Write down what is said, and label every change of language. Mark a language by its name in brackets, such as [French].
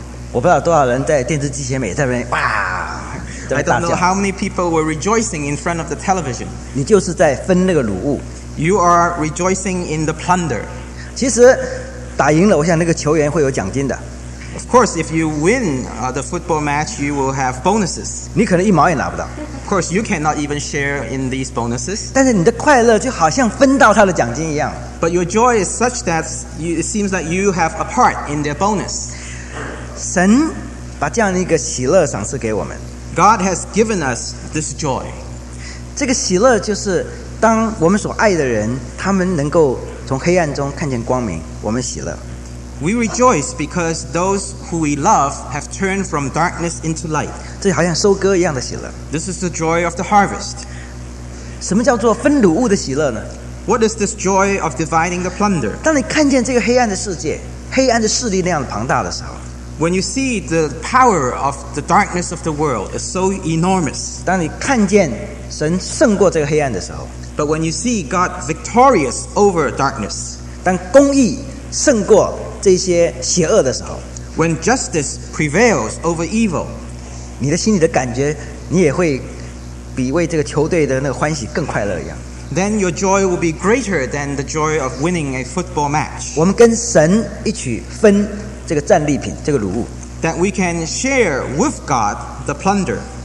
[Chinese] 我不知道多少人在电视机前面在那边哇。 [English] I don't know how many people were rejoicing in front of the television. [Chinese] 你就是在分那个乳物。 [English] You are rejoicing in the plunder. [Chinese] 其实打赢了，我想那个球员会有奖金的。 [English] Of course, if you win the football match, you will have bonuses. [Chinese] 你可能一毛也拿不到。 [English] Of course, you cannot even share in these bonuses. [Chinese] 但是你的快乐就好像分到他的奖金一样。 [English] But your joy is such that it seems like you have a part in their bonus. [Chinese] 神把这样的一个喜乐赏赐给我们。 [English] God has given us this joy. [Chinese] 这个喜乐就是。当我们所爱的人，他们能够从黑暗中看见光明，我们喜乐。 [English] We rejoice because those who we love have turned from darkness into light. [Chinese] 这好像收割一样的喜乐。 [English] This is the joy of the harvest. [Chinese] 什么叫做分乳物的喜乐呢？ [English] What is this joy of dividing the plunder? [Chinese] 当你看见这个黑暗的世界，黑暗的势力那样庞大的时候， [English] When you see the power of the darkness of the world is so enormous, [Chinese] 当你看见神胜过这个黑暗的时候, [English] but when you see God victorious over darkness, [Chinese] 当公义胜过这些邪恶的时候, [English] when justice prevails over evil, [Chinese] 你的心里的感觉, 你也会 比为这个球队的那个欢喜更快乐一样。 [English] Then your joy will be greater than the joy of winning a football match. [Chinese] 我们跟神一起分这个战利品，这个礼物。 [English] That we can share with God the plunder.